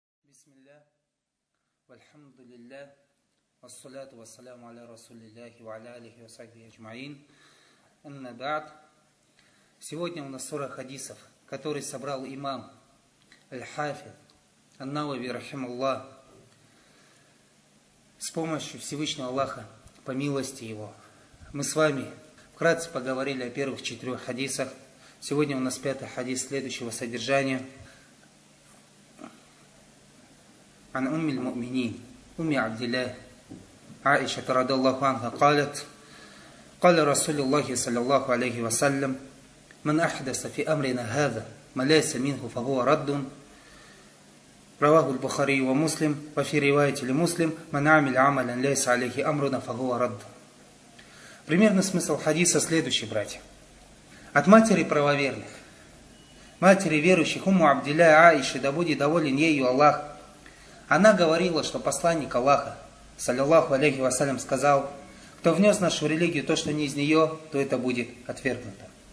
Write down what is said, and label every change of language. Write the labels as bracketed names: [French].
[Arabic] بسم الله والحمد لله والصلاة والسلام على رسول الله وعلى آله وصحبه أجمعين. أما بعد، [Russian] сегодня у нас 40 хадисов, которые собрал имам Аль-Хафид Ан-Науви рахимахуллах с помощью Всевышнего Аллаха, по милости Его. Мы с вами вкратце поговорили о первых 4 хадисах. Сегодня у нас 5 хадис следующего содержания. [Arabic] عن أم المؤمنين أم عبد الله عائشة رضي الله عنها قالت قال رسول الله صلى الله عليه وسلم من أحدث في أمرنا هذا ما ليس منه فهو رد رواه البخاري ومسلم وفي رواية لمسلم من عمل عملا ليس عليه أمرنا فهو رد. [Russian] Примерно смысл хадиса следующий, братья. От матери правоверных, матери верующих, Умму Абдилля Аиши, да будет доволен ею Аллах, она говорила, что посланник Аллаха, саллиллаху алейхи вассалям, сказал, кто внес в нашу религию то, что не из нее, то это будет отвергнуто.